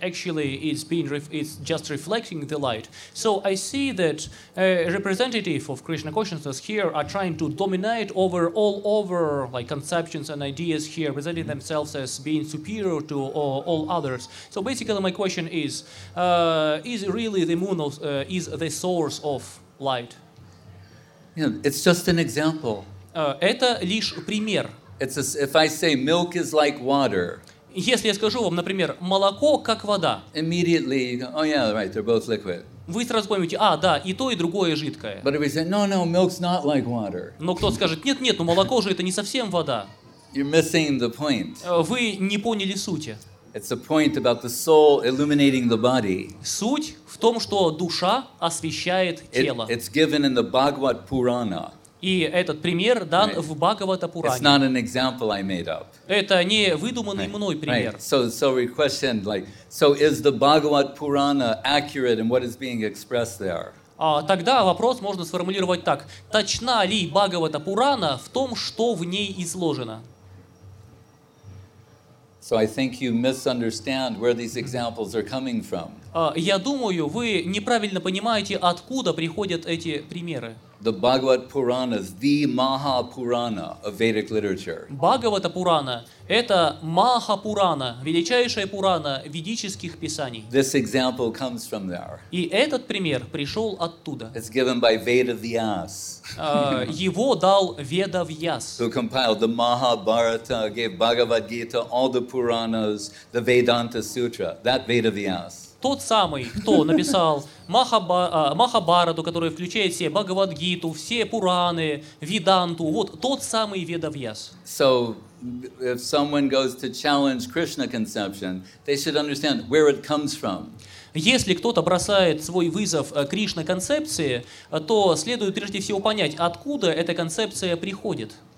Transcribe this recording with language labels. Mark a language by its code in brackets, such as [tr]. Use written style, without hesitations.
[en] Actually, it's just reflecting the light. So I see that representative of Krishna consciousness here are trying to dominate over all over like conceptions and ideas here, presenting themselves as being superior to all others. So basically, my question is really the moon is the source of light? Yeah, it's just an example. [ru] Это лишь пример. [en] It's a, if I say milk is like water. [ru] Если я скажу вам, например, молоко как вода. [en] Immediately, you go, oh yeah, right, they're both liquid. [ru] Вы сразу поймете, а, да, и то, и другое жидкое. [en] But if we say, no, no, milk's not like water. [ru] Но кто скажет, нет, нет, но молоко же это не совсем вода. [en] You're missing the point. [ru] Вы не поняли сути. [en] It's a point about the soul illuminating the body. [ru] Суть в том, что душа освещает тело. [en] It's given in the Bhagavad Purana. [ru] И этот пример дан в Бхагавата Пуране. [en] It's not an example I made up. [ru] Это не выдуманный мной пример. [en] Right. So we question, like, so is the Bhagavad Purana accurate in what is being expressed there? [ru] Тогда вопрос можно сформулировать так. Точна ли Бхагавата Пурана в том, что в ней изложено? [en] So I think you misunderstand where these examples are coming from. [ru] Я думаю, вы неправильно понимаете, откуда приходят эти примеры. [en] The Bhagavata Purana is the Mahapurana of Vedic literature. [ru] Bhagavata Purana – это Mahapurana, величайшая Пурана ведических писаний. [en] This example comes from there. [ru] И этот пример пришел оттуда. [en] It's given by Vedavyas. [ru] Его дал Ведавьяс. [en] Who compiled the Mahabharata, gave Bhagavad Gita, all the Puranas, the Vedanta Sutra. That Vedavyas. [ru] Тот самый, кто написал Махабхарату, который включает все Бхагавадгиту, все Пураны, Веданту, вот тот самый Ведавьяс. [en] So, if someone goes to challenge Krishna conception, they should understand where it comes from. [ru] Если кто-то бросает свой вызов Кришна-концепции, то следует прежде всего понять, откуда эта концепция приходит.